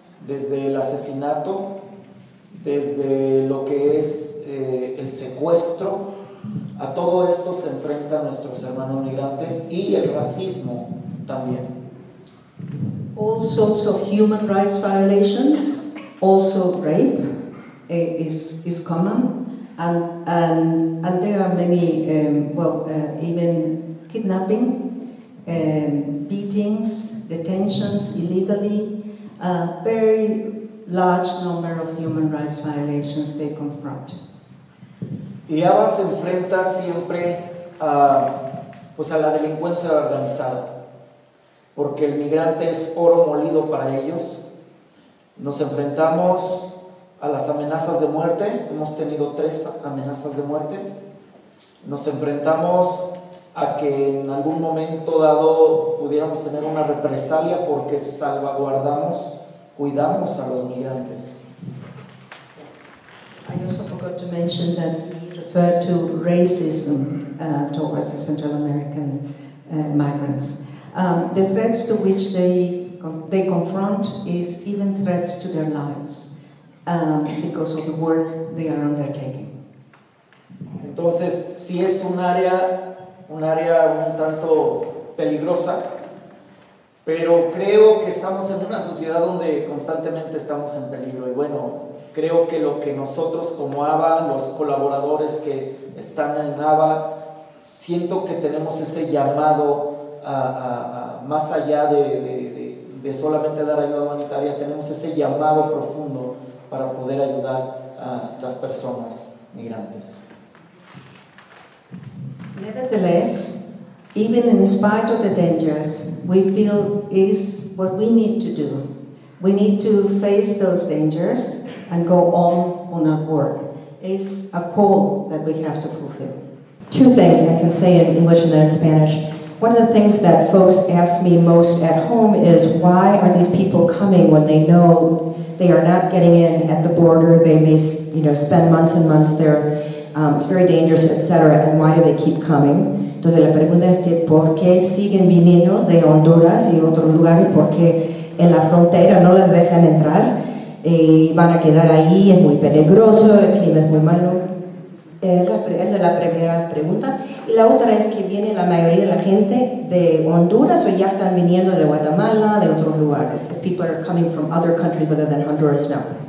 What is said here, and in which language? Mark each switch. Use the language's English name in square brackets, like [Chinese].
[Spanish] desde el asesinato, desde lo que es el secuestro, a todo esto se enfrentan nuestros hermanos migrantes y el racismo también. [English] All sorts of human rights violations, also rape, is common, and there are many even kidnapping, beatings, detentions illegally, a very large number of human rights violations they confront. [Spanish] Y ABBA se enfrenta siempre a, pues a la delincuencia organizada, porque el migrante es oro molido para ellos. Nos enfrentamos a las amenazas de muerte, hemos tenido 3 amenazas de muerte. Nos enfrentamos a que en algún momento dado pudiéramos tener una represalia porque salvaguardamos, cuidamos a los migrantes. [English] I also forgot to mention that he referred to racism towards the Central American migrants. The threats to which they confront is even threats to their lives because of the work they are undertaking. [Spanish] Entonces, si es un área un tanto peligrosa, pero creo que estamos en una sociedad donde constantemente estamos en peligro. Y bueno, creo que lo que nosotros como ABBA, los colaboradores que están en ABBA, siento que tenemos ese llamado a más allá de solamente dar ayuda humanitaria, tenemos ese llamado profundo para poder ayudar a las personas migrantes. [English] Nevertheless, even in spite of the dangers, we feel is what we need to do. We need to face those dangers and go on our work. It's a call that we have to fulfill. 2 things I can say in English and then in Spanish. One of the things that folks ask me most at home is, why are these people coming when they know they are not getting in at the border? They may, you know, spend months and months there. It's very dangerous, etc. And why do they keep coming? [Spanish] Entonces la pregunta es que por qué siguen viniendo de Honduras y otros lugares, porque en la frontera no les dejan entrar, van a quedar ahí, es muy peligroso, el clima es muy malo. Esa es la primera pregunta. Y la otra es que viene la mayoría de la gente de Honduras o ya están viniendo de Guatemala, de otros lugares. [English] If people are coming from other countries other than Honduras now.